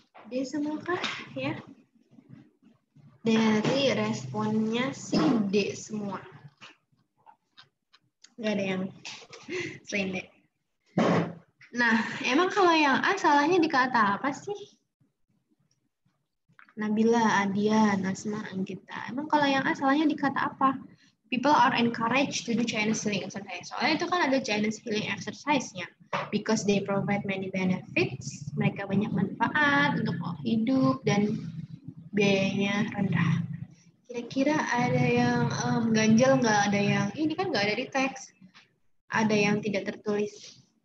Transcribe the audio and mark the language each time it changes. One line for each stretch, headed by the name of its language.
Indonesian: Ya semua kak, ya. Dari responnya sih D semua. Gak ada yang selain D. Nah, emang kalau yang A salahnya di kata apa sih? Nabila, Adia, Nasma, Anggita. Emang kalau yang A salahnya di kata apa?
English: People are encouraged to do Chinese healing exercise.
Indonesian: Soalnya itu kan ada Chinese healing exercise-nya.
English: Because they provide many benefits,
Indonesian: mereka banyak manfaat untuk hidup, dan biayanya rendah. Kira-kira ada yang ganjel, nggak ada yang, ini kan nggak ada di teks, ada yang tidak tertulis.